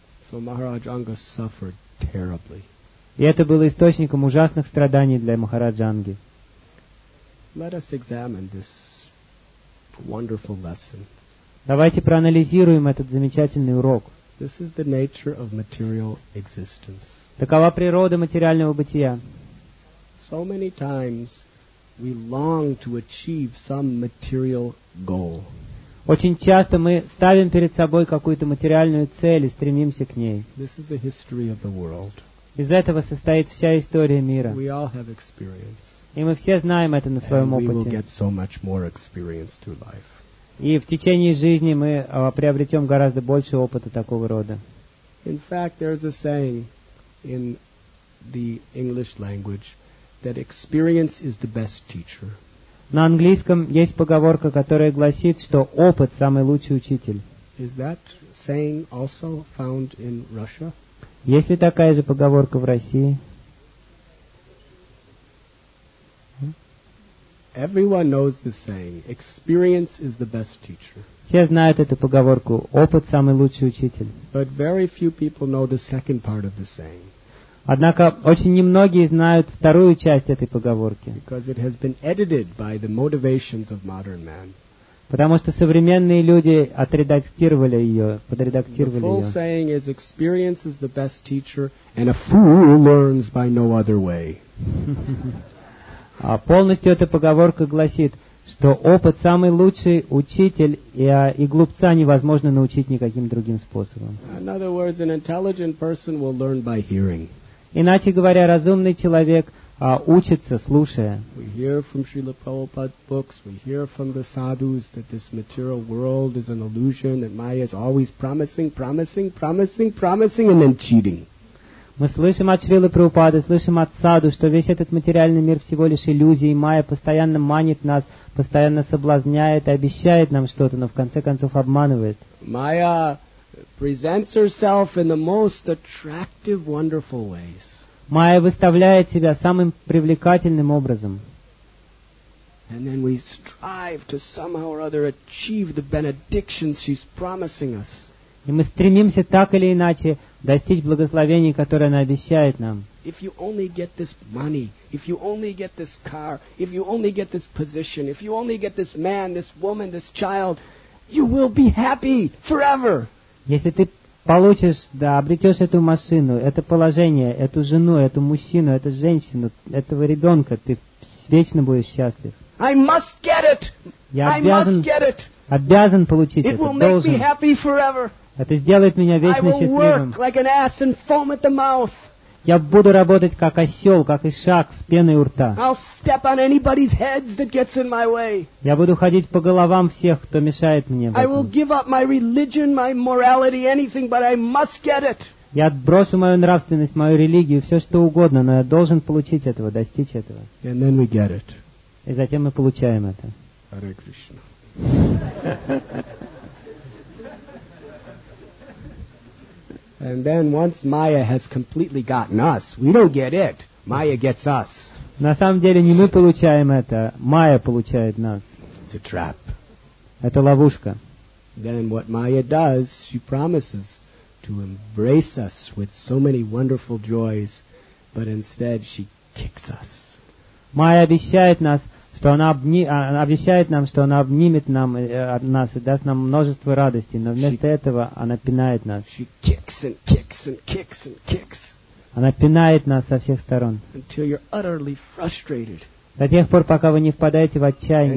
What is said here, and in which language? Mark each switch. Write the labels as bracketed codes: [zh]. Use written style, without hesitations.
[en] So Maharaj Anga suffered terribly. [ru] И это было источником ужасных страданий для Махараджа Анги. [en] Let us examine this wonderful lesson. [ru] Давайте проанализируем этот замечательный урок. [en] This is the nature of material existence. [ru] Такова природа материального бытия. [en] So many times we long to achieve some material goal. [ru] Очень часто мы ставим перед собой какую-то материальную цель и стремимся к ней. [en] This is the history of the world. [ru] Из этого состоит вся история мира. [en] We all have experience. [ru] И мы все знаем это на своем [en] and [ru] опыте. [en] We will get so much more experience through life. [ru] И в течение жизни мы приобретем гораздо больше опыта такого рода. [en] In fact, there is a saying in the English language that experience is the best teacher. [ru] На английском есть поговорка, которая гласит, что опыт самый лучший учитель. [en] Is that saying also found in Russia? [ru] Есть ли такая же поговорка в России? [en] Everyone knows this saying. Experience is the best teacher. [ru] Все знают эту поговорку. Опыт самый лучший учитель. [en] But very few people know the second part of the saying. [ru] Однако очень немногие знают вторую часть этой поговорки. [en] Because it has been edited by the motivations of modern man. [ru] Потому что современные люди отредактировали ее, подредактировали ее. [en] The full saying is, experience is the best teacher, and a fool learns by no other way. [ru] А полностью эта поговорка гласит, что опыт самый лучший учитель, и глупца невозможно научить никаким другим способом. [en] In other words, an intelligent person will learn by hearing. [ru] Иначе говоря, разумный человек учится, слушая. [en] We hear from Srila Prabhupada's books, we hear from the sadhus that this material world is an illusion, that Maya is always promising, and then cheating. [ru] Мы слышим от Шрилы Прабхупады, слышим от саду, что весь этот материальный мир всего лишь иллюзия, и майя постоянно манит нас, постоянно соблазняет и обещает нам что-то, но в конце концов обманывает. [en] Майя presents herself in the most attractive, wonderful ways. [ru] Майя выставляет себя самым привлекательным образом. [en] And then we strive to somehow or other achieve the benedictions she's promising us. [ru] И мы стремимся так или иначе достичь благословений, которые она обещает нам. [en] If you only get this money, if you only get this car, if you only get this position, if you only get this man, this woman, this child, you will be happy forever. [ru] Если ты получишь, да, обретешь эту машину, это положение, эту жену, эту мужчину, эту женщину, этого ребенка, ты вечно будешь счастлив. [en] I must get it. [ru] Я обязан. [en] I must get it. [ru] Обязан получить [en] it [ru] это, должен. [en] Make me happy forever. [ru] Это сделает меня вечно счастливым. [en] Like an ass and foam at the mouth. [ru] Я буду работать как осел, как ишак с пеной у рта. [en] I'll step on anybody's heads that gets in my way. [ru] Я буду ходить по головам всех, кто мешает мне в этом. [en] I will give up my religion, my morality, anything, but I must get it. [ru] Я отброшу мою нравственность, мою религию, все что угодно, но я должен получить этого, достичь этого. [en] And then we get it. [ru] И затем мы получаем это. [sa] Hare Krishna. [en] And then once Maya has completely gotten us, we don't get it. Maya gets us. [ru] На самом деле не мы получаем это, Maya получает нас. [en] It's a trap. [ru] Это ловушка. [en] Then what Maya does, she promises to embrace us with so many wonderful joys, but instead she kicks us. [ru] Maya обещает нас, что она обещает нам, что она обнимет нам, нас и даст нам множество радости, но вместо этого она пинает нас. [en] She kicks and kicks and kicks and kicks. [ru] Она пинает нас со всех сторон. [en] Until you're utterly frustrated. [ru] До тех пор, пока вы не впадаете в отчаяние.